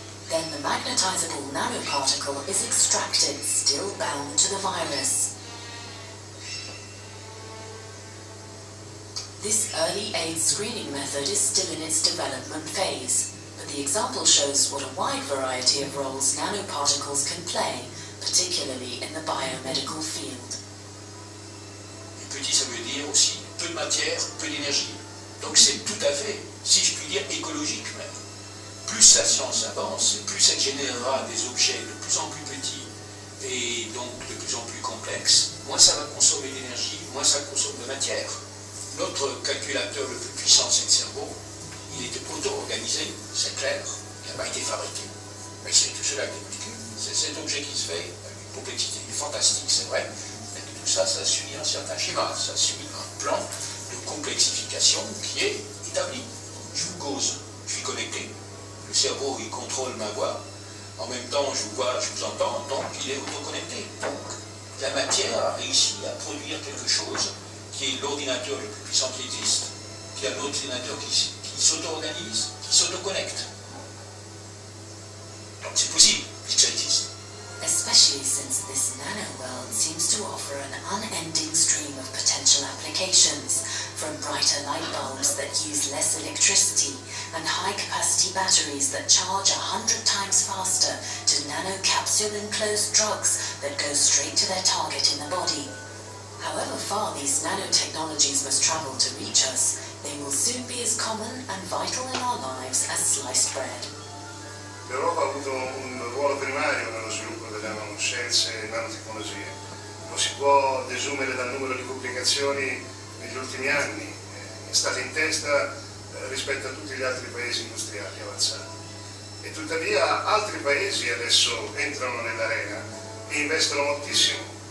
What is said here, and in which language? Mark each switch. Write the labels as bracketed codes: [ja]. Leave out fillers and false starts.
[en] Then the magnetizable nanoparticle is extracted, still bound to the virus. This early AIDS screening method is still in its development phase, but the example shows what a wide variety of roles nanoparticles can play, particularly in the biomedical field. [fr] Et petit, ça veut dire aussi peu de matière, peu d'énergie. Donc c'est tout à fait, si je puis dire, écologique même. Plus la science avance, plus elle générera des objets de plus en plus petits et donc de plus en plus complexes, moins ça va consommer d'énergie, moins ça consomme de matière. Notre calculateur le plus puissant, c'est le cerveau. il était auto-organisé, c'est clair, il n'a pas été fabriqué. Mais c'est tout cela qui est ridicule. C'est cet objet qui se fait, une complexité fantastique, c'est vrai, mais tout ça, ça suit un certain schéma, ça suit un plan de complexification qui est établi. Je vous cause, je suis connecté, le cerveau, il contrôle ma voix, en même temps, je vous vois, je vous entends, donc il est auto-connecté. Donc, la matière a réussi à produire quelque chose qui est l'ordinateur le plus puissant qui existe, qui est un ordinateur qui s'auto-organise, qui s'auto-connecte. Donc c'est possible, puisque ça existe. [en] Especially since this nano-world seems to offer an unending stream of potential applications, from brighter light bulbs that use less electricity and high-capacity batteries that charge 100 times faster, to nano-capsule-enclosed drugs that go straight to their target in the body. However far these nanotechnologies must travel to reach us, they will soon be as common and vital in our lives as sliced bread. [it] L'Europa ha avuto un ruolo primario nello sviluppo delle nanoscienze e nanotecnologie. Lo si può desumere dal numero di pubblicazioni negli ultimi anni. È stata in testa rispetto a tutti gli altri paesi industriali avanzati. E tuttavia altri paesi adesso entrano nell'arena e investono moltissimo.